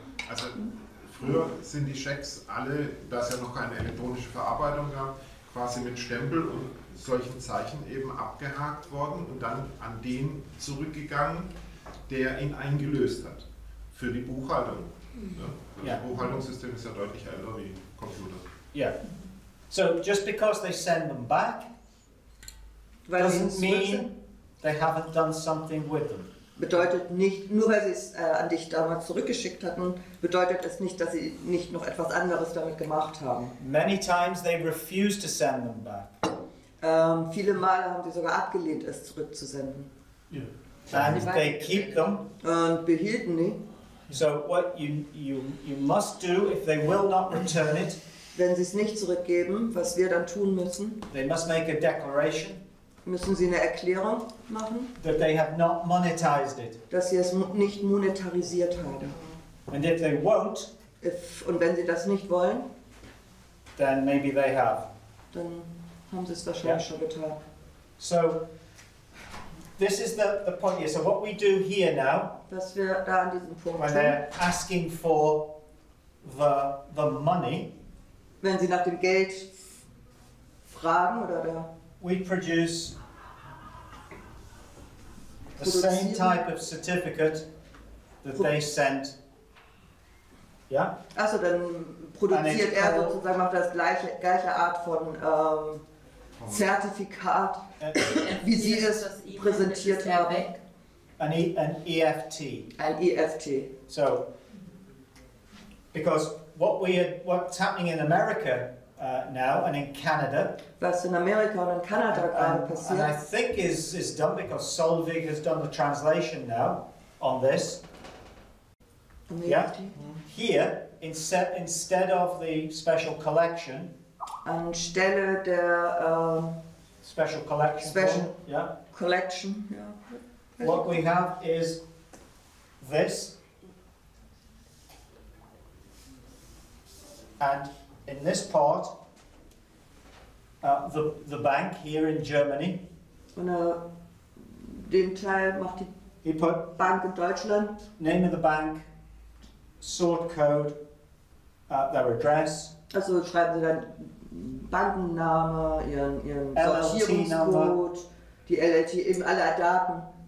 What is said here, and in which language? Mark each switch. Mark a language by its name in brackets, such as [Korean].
[German] Also früher sind die Checks alle, da es ja noch keine elektronische Verarbeitung gab, quasi mit Stempel und solchen Zeichen eben abgehakt worden und dann an den zurückgegangen, der ihn eingelöst hat. Für die Buchhaltung. Ja. Das Buchhaltungssystem ist ja deutlich älter wie Computer. Ja. [English] So, just because they send them back, doesn't mean they haven't done something with them. [German] Bedeutet nicht, nur weil sie es an dich damals zurückgeschickt hatten, bedeutet es nicht, dass sie nicht noch etwas anderes damit gemacht haben. [English] Many times they refuse to send them back. [German] Viele Male haben sie sogar abgelehnt, es zurückzusenden. [English] Yeah. And they keep them. [German] Und behielten sie. [English] So what you must do if they will not return it? [German] Wenn sie es nicht zurückgeben, was wir dann tun müssen? [English] They must make a declaration. [German] Müssen sie eine Erklärung machen? [English] That they have not monetized it. [German] Dass sie es nicht monetarisiert haben. [English] And if they won't? [German] Und wenn sie das nicht wollen? [English] Then maybe they have. [German] Dann haben sie es wahrscheinlich schon getan. [English] So. This is the point here. So what we do here now, [German] dass wir da an diesem Punkt [English] when they're asking for the money, [German] wenn sie nach dem Geld fragen oder der, [English] we produce the same type of certificate that they sent. Yeah? [German] Also dann produziert er sozusagen auch das gleiche Art von Zertifikat, wie sie es präsentiert haben. [English] An EFT. [German] Ein EFT. [English] So, because what's happening in America now and in Canada. [German] Was in Amerika und in Kanada gerade passiert. [English] And I think is done because Solvig has done the translation now on this. An EFT. Yeah? Here, instead of the special collection, [German] anstelle der [English] Special Collection. Special form, yeah. Collection. Yeah. What we have is this, and in this part, the bank here in Germany. [German] Und den Teil macht die Bank in Deutschland. [English] Name of the bank, sort code, their address. [German] Also schreiben Sie dann Bankenname, ihren Sortierungscode, die LLT, eben alle Daten.